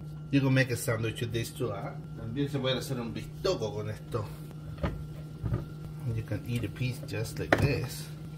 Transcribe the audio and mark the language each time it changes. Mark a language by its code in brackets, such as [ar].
[en] You can make a sandwich with this too, huh? [es] También se puede hacer un bistoco con esto. [en] You can eat a piece just like this.